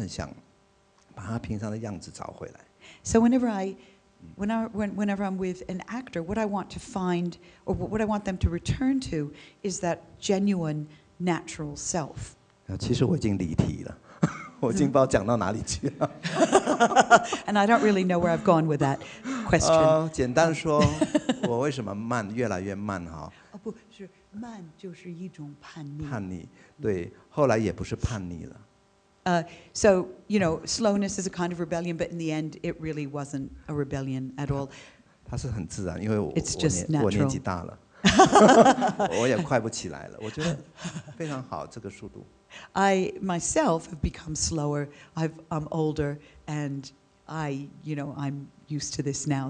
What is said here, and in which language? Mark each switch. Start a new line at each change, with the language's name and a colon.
Chinese: 所以我每次碰到这些演员，我都很想把他平常的样子找回来。So
English: whenever I'm with an actor, what I want to find or what I want them to return to is that genuine, natural self.
Chinese: 其实我已经离题了，我已经不知道讲到哪里去了。And
English: I don't really know where I've gone with that question.
Chinese: 简单说，我为什么慢，越来越慢哈？哦，不是。慢就是一种叛逆。叛逆，对，后来也不是叛逆了。
English: So you know, slowness is a kind of rebellion, but in the end, it really wasn't a rebellion at all.
Chinese: 它是很自然，因为我年纪大了，我也快不起来了。我觉得非常好，这个速度。I
English: myself have become slower. I'm older, and I, you know, I'm used to this now.